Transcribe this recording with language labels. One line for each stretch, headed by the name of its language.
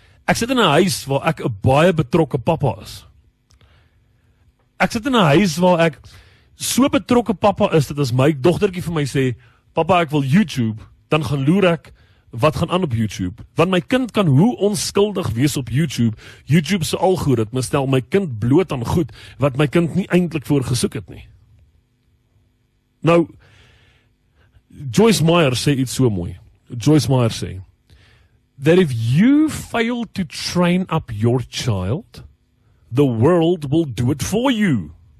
Afrikaans: Ek sit in 'n huis waar ek 'n baie betrokke pappa is. Ek sit in 'n huis waar ek so betrokke pappa is dat as my dogtertjie vir my sê, "Pappa, ek wil YouTube," dan gaan loer ek wat gaan aan op YouTube. Want my kind kan hoe onskuldig wees op YouTube. YouTube se algoritme stel my kind bloot aan goed wat my kind nie eintlik voor gesoek het nie. Nou, Joyce Meyer sê iets so mooi.
English: Joyce Meyer sê, that if you fail to train up your child, the world will do it for you.